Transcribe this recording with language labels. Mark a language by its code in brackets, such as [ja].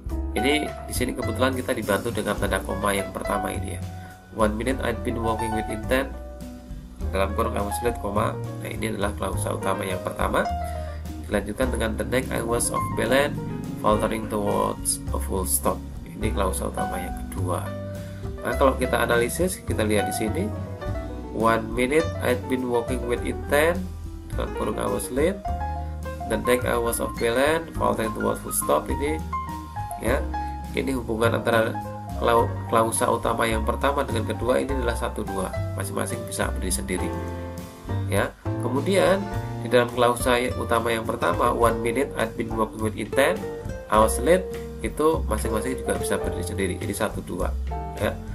[id] Ini di sini kebetulan kita dibantu dengan tanda koma yang pertama ini ya. [en] 1 minute I've been walking with intent [id] dalam kurung [en] I was late, koma. [id] Nah ini adalah klausa utama yang pertama. Dilanjutkan dengan [en] the next I was off balance, faltering towards a full stop. [id] Ini klausa utama yang kedua. Nah kalau kita analisis, kita lihat di sini. [en] 1 minute I've been walking with intent [id] dalam kurung [en] I was late, the next I was off balance, faltering towards full stop. [id] Ini ya, ini hubungan antara klausa utama yang pertama dengan kedua ini adalah 1-2, masing-masing bisa berdiri sendiri ya. Kemudian di dalam klausa utama yang pertama, [en] 1 minute I've been walking with intent, I was late, [id] itu masing-masing juga bisa berdiri sendiri, jadi 1-2 ya.